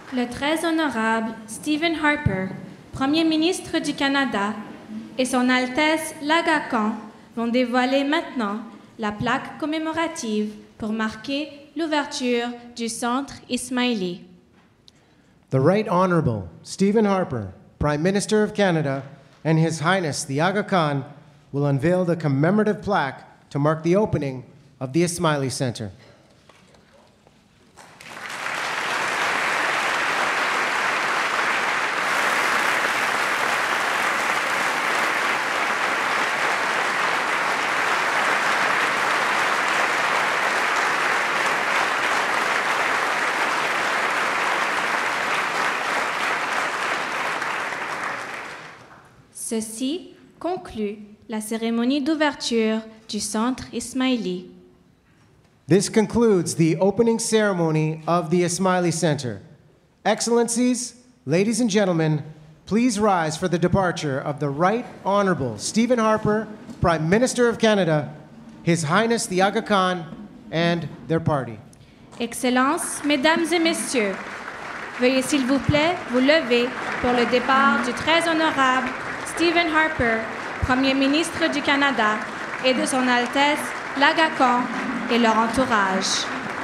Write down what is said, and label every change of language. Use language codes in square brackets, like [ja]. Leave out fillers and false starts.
[fr] Très honorable Stephen Harper, Premier ministre du Canada, et Son Altesse l'Aga Khan vont dévoiler maintenant la plaque commémorative pour marquer l'ouverture du Centre Ismaili. [en] The Right Honorable Stephen Harper, Prime Minister of Canada, and His Highness the Aga Khan will unveil the commemorative plaque to mark the opening of the Ismaili Centre. [fr] Ceci conclut la cérémonie d'ouverture du Centre Ismaili. [en] This concludes the opening ceremony of the Ismaili Center. Excellencies, ladies and gentlemen, please rise for the departure of the Right Honorable Stephen Harper, Prime Minister of Canada, His Highness the Aga Khan, and their party. [fr] Excellences, mesdames et messieurs, veuillez s'il vous plaît vous lever pour le départ du très honorable Stephen Harper, Premier ministre du Canada, et de Son Altesse l'Aga Khan et leur entourage.